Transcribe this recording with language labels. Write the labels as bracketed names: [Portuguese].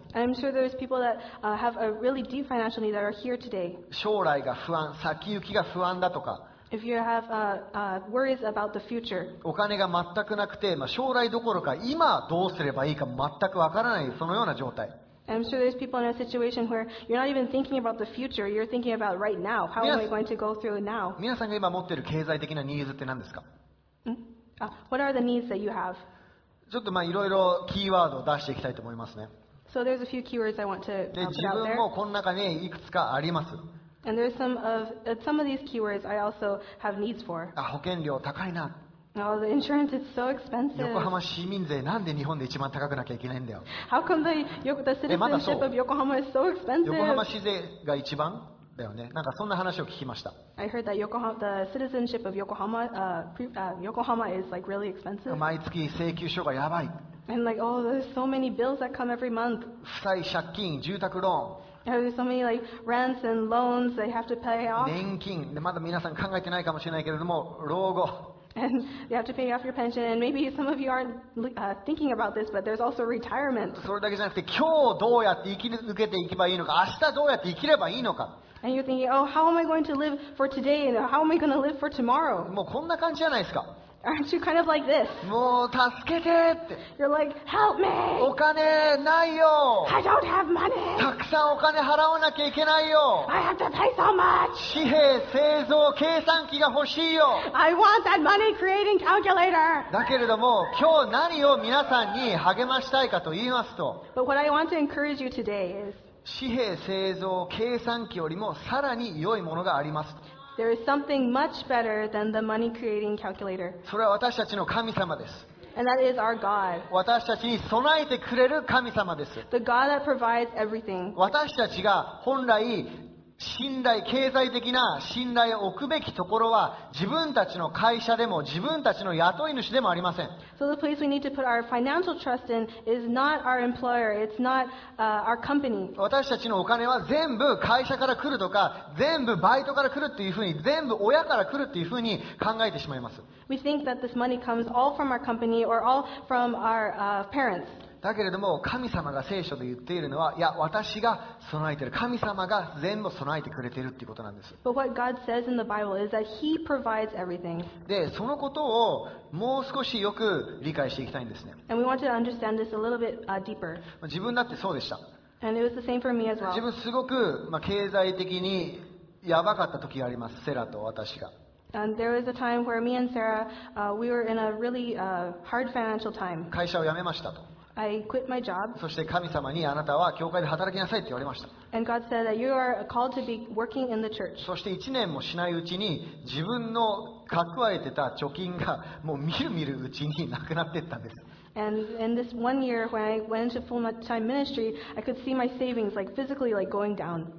[English] And I'm sure there's people that have a really deep financial need that are here today. [Japanese] 将来が不安、先行きが不安だとか。 [English] If you have worries about the future. [Japanese] お金が全くなくて、まあ、将来どころか今どうすればいいか全くわからないそのような状態。 [English] I'm sure there's people in a situation where you're not even thinking about the future. You're thinking about right now. How am I going to go through it now? [Japanese] 皆さんが今持っている経済的なニーズって何ですか？ [English] What are the needs that you have? [Japanese] ちょっとまあいろいろキーワードを出していきたいと思いますね。 [English] So there's a few keywords I want to put out there. [Japanese] 自分もこの中にいくつかあります。 [English] And there's some of these keywords I also have needs for. [Japanese] 保険料高いな。 [English] Oh, the insurance is so expensive. [Japanese] 横浜市民税なんで日本で一番高くなきゃいけないんだよ。 [English] How come the citizenship of Yokohama is so expensive? [Japanese] 横浜市税が一番だよね。なんかそんな話を聞きました。 [English] I heard that the citizenship of Yokohama is like really expensive. [Japanese] 毎月請求書がやばい。 [English] And like, oh, there's so many bills that come every month. [Japanese] 負債、借金、住宅ローン。 [English] There's so many like rents and loans they have to pay off. [Japanese] 年金、まだ皆さん考えてないかもしれないけれども、老後。 [English] And you have to pay off your pension. And maybe some of you aren't thinking about this, but there's also retirement. [Japanese] それだけじゃなくて、今日どうやって生き抜けていけばいいのか、明日どうやって生きればいいのか。 [English] And you're thinking, oh, how am I going to live for today? And how am I going to live for tomorrow? [Japanese] もうこんな感じじゃないですか。 [English] Aren't you kind of like this? [Japanese] もう助けてって。 [English] You're like, help me! [Japanese] お金ないよ。 [English] I don't have money! [Japanese] たくさんお金払わなきゃいけないよ。 [English] I have to pay so much! [Japanese] 紙幣製造計算機が欲しいよ。 [English] I want that money creating calculator! [Japanese] だけれども、今日何を皆さんに励ましたいかと言いますと。 [English] But what I want to encourage you today is... [Japanese] 紙幣製造計算機よりもさらに良いものがあります。 [English] There is something much better than the money creating calculator. [Japanese] それは私たちの神様です。 [English] And that is our God. [Japanese] 私たちに備えてくれる神様です。 [English] The God that provides everything. [Japanese] 私たちが本来信頼、経済的な信頼を置くべきところは自分たちの会社でも自分たちの雇い主でもありません。 [English] So the place we need to put our financial trust in is not our employer, it's not our company. [Japanese] 私たちのお金は全部会社から来るとか、全部バイトから来るっていうふうに、全部親から来るっていうふうに考えてしまいます。 [English] We think that this money comes all from our company or all from our parents. [Japanese] だけれども神様が聖書で言っているのは、いや私が備えている、神様が全部備えてくれているということなんです。 [English] But what God says in the Bible is that He provides everything. [Japanese] でそのことをもう少しよく理解していきたいんですね。 [English] And we want to understand this a little bit deeper. [Japanese] 自分だってそうでした。 [English] And it was the same for me as well. [Japanese] 自分すごく、まあ、経済的にやばかった時があります、セラと私が。 [English] And there was a time where me and Sarah we were in a really hard financial time. [Japanese] 会社を辞めましたと。 [English] I quit my job. [Japanese] そして神様にあなたは教会で働きなさいって言われました。 [English] And God said that you are called to be working in the church. [Japanese] そして1年もしないうちに自分の蓄えてた貯金がもうみるみるうちになくなっていったんです。 [English] And in this one year when I went into full time ministry, I could see my savings like physically like going down.